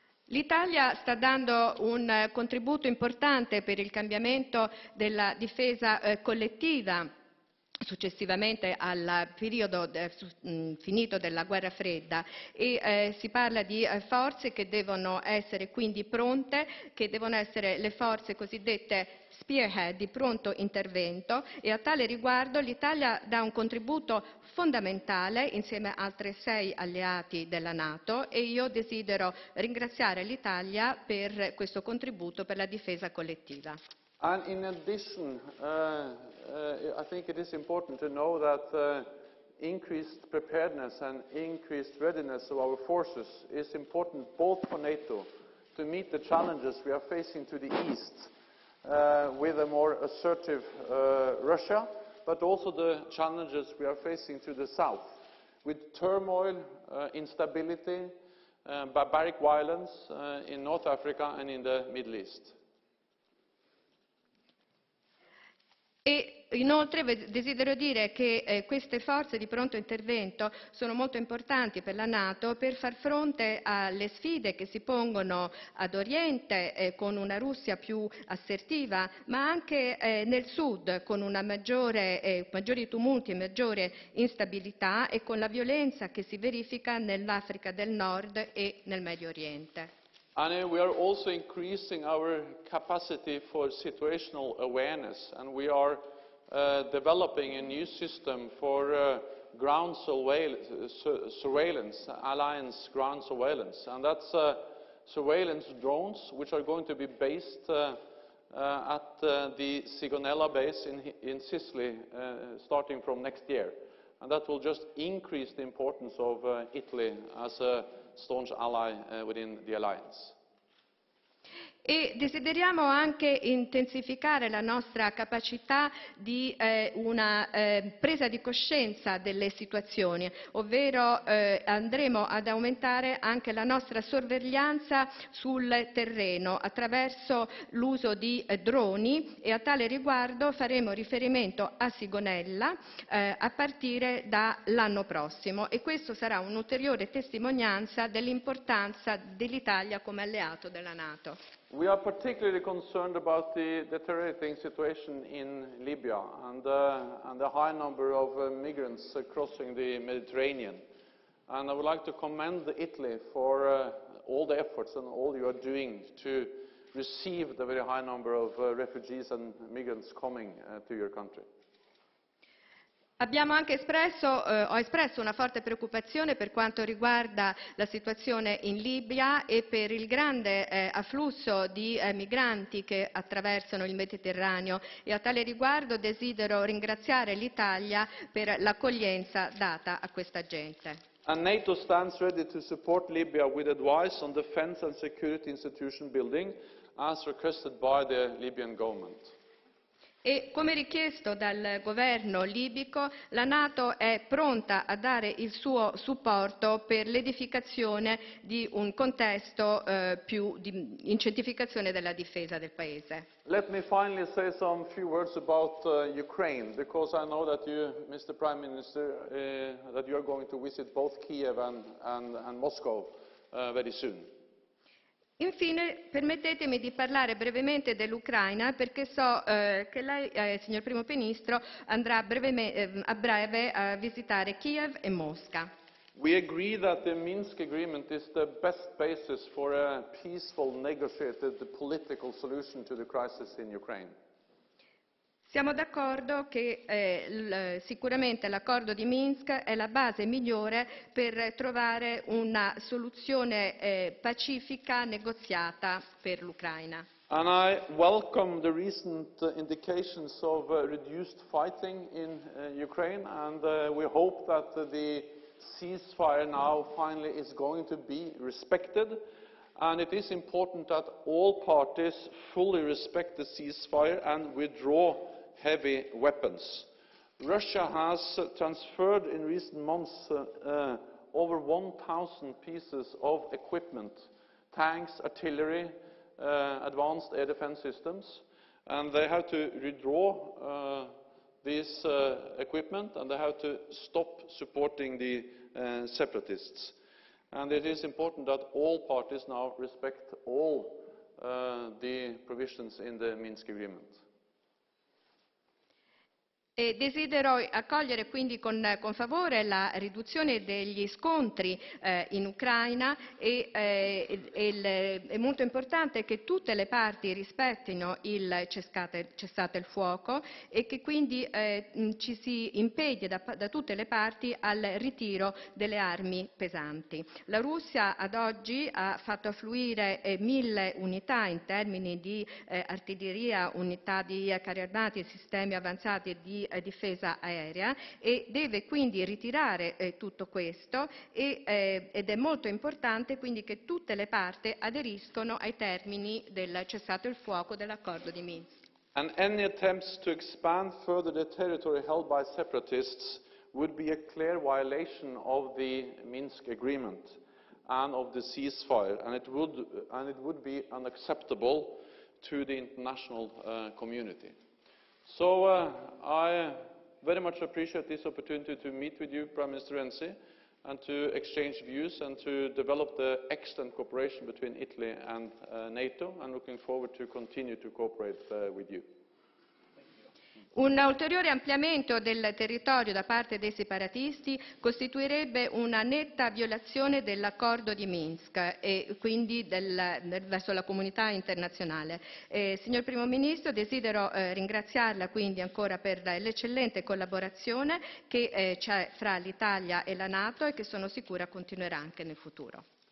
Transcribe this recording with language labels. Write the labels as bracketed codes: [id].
[it] L'Italia sta dando un contributo importante per il cambiamento della difesa collettiva successivamente al periodo finito della Guerra Fredda e si parla di forze che devono essere quindi pronte, che devono essere le forze cosiddette spearhead di pronto intervento, e a tale riguardo l'Italia dà un contributo fondamentale insieme ad altri sei alleati della NATO e io desidero ringraziare l'Italia per questo contributo per la difesa collettiva. [en] And in addition, I think it is important to know that increased preparedness and increased readiness of our forces is important both for NATO to meet the challenges we are facing to the east with a more assertive Russia, but also the challenges we are facing to the south with turmoil, instability, barbaric violence in North Africa and in the Middle East. [it] E inoltre desidero dire che queste forze di pronto intervento sono molto importanti per la NATO per far fronte alle sfide che si pongono ad Oriente con una Russia più assertiva, ma anche nel Sud con una maggiori tumulti e maggiore instabilità e con la violenza che si verifica nell'Africa del Nord e nel Medio Oriente. [en] Anne, we are also increasing our capacity for situational awareness, and we are developing a new system for ground surveillance, alliance ground surveillance, and that's surveillance drones, which are going to be based at the Sigonella base in Sicily, starting from next year, and that will just increase the importance of Italy as a staunch ally within the alliance. [it] E desideriamo anche intensificare la nostra capacità di una presa di coscienza delle situazioni, ovvero andremo ad aumentare anche la nostra sorveglianza sul terreno attraverso l'uso di droni e a tale riguardo faremo riferimento a Sigonella a partire dall'anno prossimo e questo sarà un'ulteriore testimonianza dell'importanza dell'Italia come alleato della NATO. [en] We are particularly concerned about the deteriorating situation in Libya and the high number of migrants crossing the Mediterranean. And I would like to commend Italy for all the efforts and all you are doing to receive the very high number of refugees and migrants coming to your country. [it] Abbiamo anche ho espresso una forte preoccupazione per quanto riguarda la situazione in Libia e per il grande afflusso di migranti che attraversano il Mediterraneo e a tale riguardo desidero ringraziare l'Italia per l'accoglienza data a questa gente. [en] And NATO stands ready to support Libya with advice on defense and security institution building as requested by the Libyan government. [it] E come richiesto dal governo libico, la NATO è pronta a dare il suo supporto per l'edificazione di un contesto più di incentivazione della difesa del paese. [en] Let me finally say some few words about Ukraine, because I know that you, Mr. Prime Minister, that you are going to visit both Kiev and Moscow very soon. [it] Infine, permettetemi di parlare brevemente dell'Ucraina, perché so che lei, signor Primo Ministro, andrà a breve a visitare Kiev e Mosca. [en] We agree that the Minsk agreement is the best basis for a peaceful, negotiated political solution to the crisis in Ukraine. [it] Siamo d'accordo che sicuramente l'accordo di Minsk è la base migliore per trovare una soluzione pacifica negoziata per l'Ucraina. [en] And I welcome the recent indications of reduced fighting in Ukraine and we hope that the ceasefire now finally is going to be respected and it is important that all parties fully respect the ceasefire and withdraw heavy weapons. Russia has transferred in recent months over 1,000 pieces of equipment, tanks, artillery, advanced air defense systems, and they have to withdraw this equipment and they have to stop supporting the separatists. And it is important that all parties now respect all the provisions in the Minsk Agreement. [it] E desidero accogliere quindi con favore la riduzione degli scontri in Ucraina è molto importante che tutte le parti rispettino il cessate il fuoco e che quindi ci si impegni da tutte le parti al ritiro delle armi pesanti. La Russia ad oggi ha fatto affluire 1000 unità in termini di artiglieria, unità di carri armati e sistemi avanzati di difesa aerea e deve quindi ritirare tutto questo ed è molto importante quindi che tutte le parti aderiscono ai termini del cessato il fuoco dell'accordo di Minsk. [en] And any attempts to expand further the territory held by separatists would be a clear violation of the Minsk agreement and of the ceasefire and it would be unacceptable to the international community. So I very much appreciate this opportunity to meet with you, Prime Minister Renzi, and to exchange views and to develop the excellent cooperation between Italy and NATO, and looking forward to continue to cooperate with you. [it] Un ulteriore ampliamento del territorio da parte dei separatisti costituirebbe una netta violazione dell'accordo di Minsk e quindi verso la comunità internazionale. Signor Primo Ministro, desidero ringraziarla quindi ancora per l'eccellente collaborazione che c'è fra l'Italia e la NATO e che sono sicura continuerà anche nel futuro.